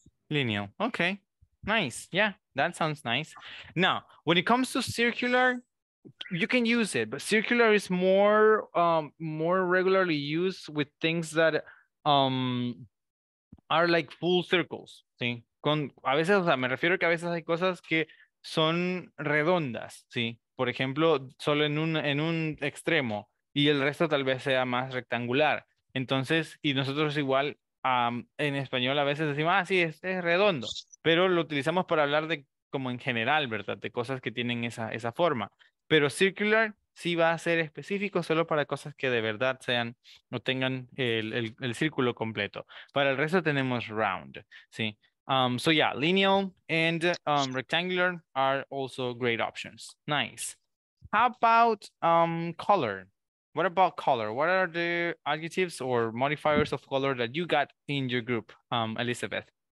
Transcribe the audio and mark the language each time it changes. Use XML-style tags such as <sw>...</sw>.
<en>Lineal. Okay. Nice. Yeah, that sounds nice. Now, when it comes to circular, you can use it, but circular is more more regularly used with things that are like full circles.</en> <es>¿Sí? Con, a veces, o sea, me refiero que a veces hay cosas que son redondas. ¿Sí? Por ejemplo, solo en un extremo y el resto tal vez sea más rectangular. Entonces, y nosotros igual en español a veces decimos, ah, sí, es redondo. Pero lo utilizamos para hablar de como en general, ¿verdad? De cosas que tienen esa forma. Pero circular sí va a ser específico solo para cosas que de verdad sean o tengan el círculo completo. Para el resto tenemos round, ¿sí?</es> <en>So yeah, lineal and rectangular are also great options. Nice. How about color? What about color? What are the adjectives or modifiers of color that you got in your group, Elizabeth?</en>